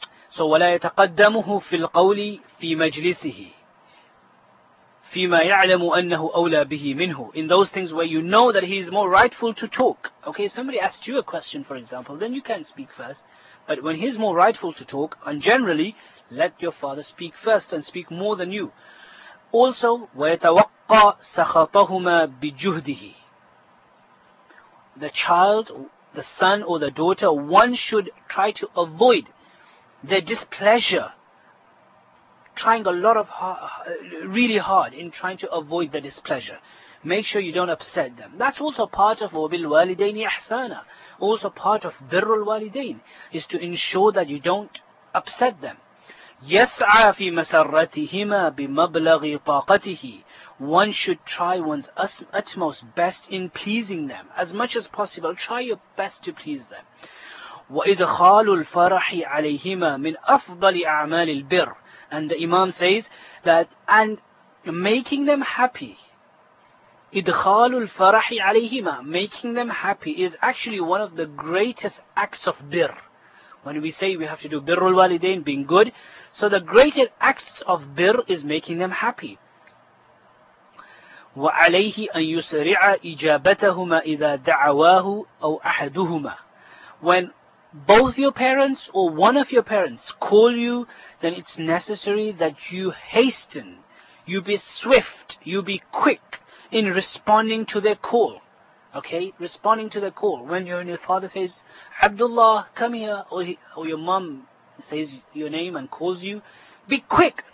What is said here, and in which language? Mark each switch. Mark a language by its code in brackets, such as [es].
[ar] So, وَلَا يَتَقَدَّمُهُ فِي الْقَوْلِ فِي مَجْلِسِهِ فِيمَا يَعْلَمُ أَنَّهُ أَوْلَى بِهِ مِنْهُ. [en] In those things where you know that he is more rightful to talk. Okay, somebody asked you a question, for example, then you can speak first. But when he's more rightful to talk, and generally, let your father speak first and speak more than you. [ar] Also, وَيَتَوَقَّى سَخَطَهُمَا بِجُهْدِهِ. [en] The child, the son or the daughter, one should try to avoid their displeasure. Trying a lot of really hard in trying to avoid the displeasure. Make sure you don't upset them. That's also part of [ar] وَبِ الْوَالِدَيْنِ إِحْسَانًا. [en] Also part of بِرُّ الْوَالِدَيْنِ is to ensure that you don't upset them. [ar] يسعى في مسرتهما بمبلغ طاقته. [en] One should try one's utmost best in pleasing them. As much as possible, try your best to please them. [ar] وإدخال الفرح عليهما من أفضل أعمال البر. [en] And the Imam says that, and making them happy. [ar] إدخال الفرح عليهما, [en] making them happy, is actually one of the greatest acts of birr. When we say we have to do birr al-walidain, being good, so the greatest acts of birr is making them happy. [ar] وعليه أن يسرع إجابتهما إذا دعواه أو أحدهما. [en] When both your parents or one of your parents call you, then it's necessary that you hasten, you be swift, you be quick in responding to their call. Okay, responding to the call. When your father says, Abdullah, come here, or your mom says your name and calls you, be quick.